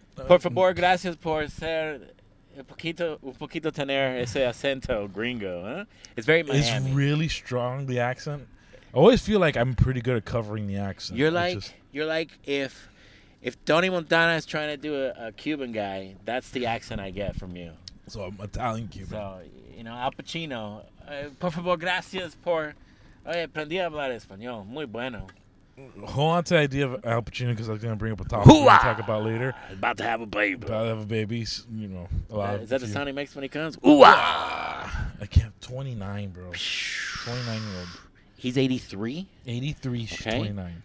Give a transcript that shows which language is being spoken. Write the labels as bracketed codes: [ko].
[es] por favor, gracias por ser... Un poquito tener ese acento gringo, huh? [en] It's very Miami. It's really strong, the accent. I always feel like I'm pretty good at covering the accent. You're like if Tony Montana is trying to do a Cuban guy, that's the accent I get from you. So I'm Italian Cuban. So, you know, Al Pacino. [es] Por favor, gracias por... Oye, aprendí a hablar español. Muy bueno. [en] hold on to the idea of Al Pacino because I was going to bring up a topic we're going to talk about later. About to have a baby. About to have a baby. You know, a lot is that the sound he makes when he comes? Ooh-ah! I can't. 29, bro. 29-year-old. He's 83? 83, she's okay. 29.